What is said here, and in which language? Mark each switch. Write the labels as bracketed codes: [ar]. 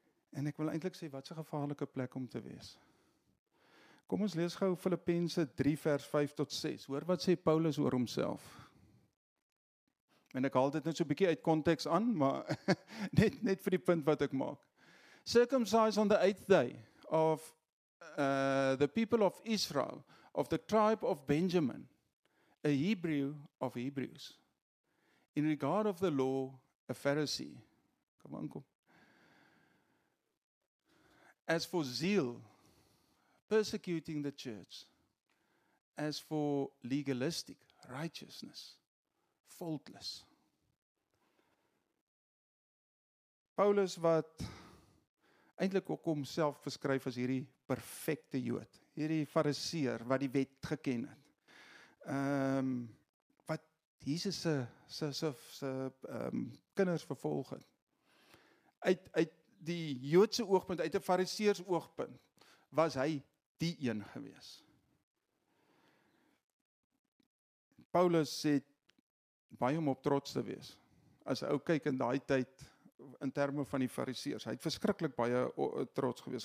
[af] En ek wil eintlik sê, wat 'n gevaarlike plek om te wees. Kom ons lees gou Filippense 3 vers 5 tot 6. Hoor wat sê Paulus oor homself. En ek haal dit net so 'n bietjie uit konteks aan, maar net vir die punt wat ek maak. [en] Circumcised on the eighth day of the people of Israel, of the tribe of Benjamin, a Hebrew of Hebrews, in regard of the law, a Pharisee. [af] Kom aan, kom. [en] As for zeal, persecuting the church, as for legalistic righteousness, faultless. [af] Paulus wat eintlik ook homself beskryf as hierdie perfekte Jood, hierdie fariseer wat die wet geken het. Wat Jesus se kinders vervolg het. Uit die Joodse oogpunt, uit 'n fariseers oogpunt, was hy die een gewees. Paulus sê baie om op trots te wees. As hy ou kyk in daai tyd in terme van die fariseers, hy het verskriklik baie trots gewees.